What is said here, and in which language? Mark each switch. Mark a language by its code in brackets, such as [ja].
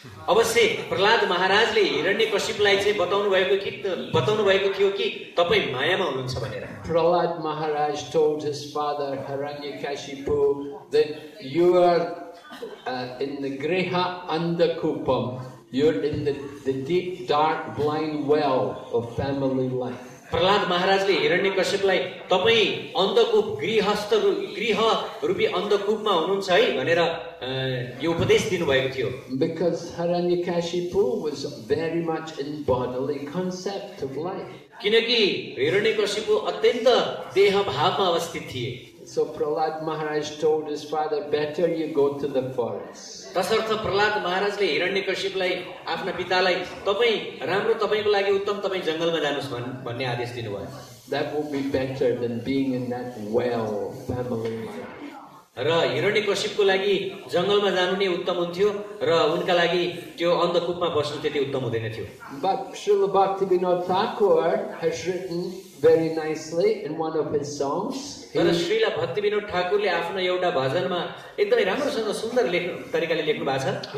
[ne] अवश्य प्रह्लाद महाराजले हिरण्यकशिपलाई चाहिँ बताउनु भएको कि बताउनु भएको थियो कि तपाईँ मायामा हुनुहुन्छ भनेर [en] Prahlad Maharaj told his father Hiranyakashipu that you are in the griha andakupam you're in the deep dark blind well of family life [ne] Prahlad महाराजले हिरण्यकशिपलाई तपाईँ अन्धकूप गृहस्थ गृह रूपी अन्धकूपमा हुनुहुन्छ है भनेर यो उपदेश दिनुभएको थियो [en] because Hiranyakashipu was very much in bodily concept of life [ne] किनकि हिरण्यकशिपु अत्यन्त देह भावमा अवस्थित थिए [en] so Prahlad Maharaj told his father better you go to the forest [ne] तसर्थ प्रह्लाद महाराजले हिरण्यकशिपलाई आफ्ना पितालाई तपाईं राम्रो तपाईंको लागि उत्तम तपाईं जंगलमा जानुस् भन्ने आदेश दिनुभयो [en] that would be better than being in that well family [ne] र हिरण्यकशिपको लागि जंगलमा जानु नै उत्तम हुन्थ्यो र उनका लागि त्यो अन्धकूपमा बस्नु त्यति उत्तम हुँदैन थियो [en] Bhakti Vinod Thakur has written very nicely in one of his songs [ne] तर श्रीला भक्ति विनोद ठाकुरले आफ्नो एउटा भजनमा एकदमै राम्रोसँग सुन्दर लेख्नु तरिकाले लेख्नु भएको छ